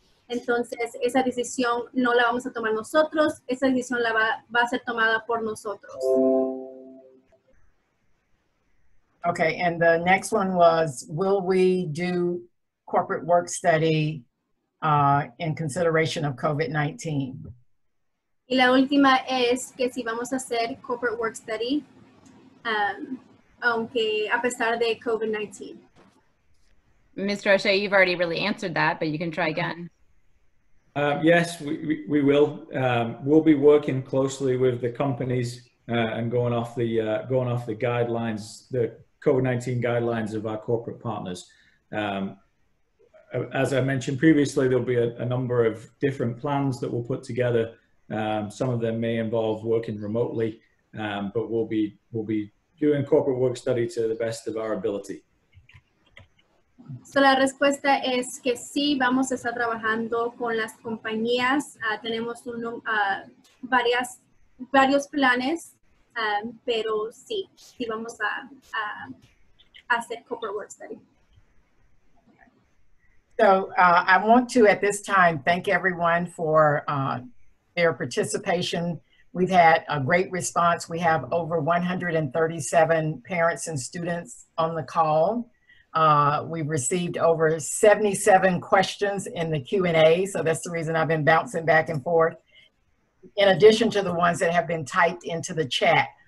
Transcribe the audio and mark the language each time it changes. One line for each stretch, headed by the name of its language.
Spanish: Entonces, esa decisión no la vamos a tomar nosotros, esa decisión va a ser tomada por nosotros.
English: Okay, and the next one was, will we do corporate work study in consideration of COVID-19?
Spanish: Y la última es que si vamos a hacer corporate work study, aunque a pesar de COVID-19.
English: Mr. O'Shea, you've already really answered that, but you can try again. Yes, we will. We'll be working closely with the companies and going off the guidelines, the COVID-19 guidelines of our corporate partners. As I mentioned previously, there'll be a number of different plans that we'll put together. Some of them may involve working remotely, but we'll be doing corporate work study to the best of our ability.
Spanish: So la respuesta es que sí, vamos a estar trabajando con las compañías. Tenemos varios planes, pero sí, sí vamos a hacer corporate work study.
English: So I want to, at this time, thank everyone for their participation. We've had a great response. We have over 137 parents and students on the call. We received over 77 questions in the Q&A, so that's the reason I've been bouncing back and forth, in addition to the ones that have been typed into the chat.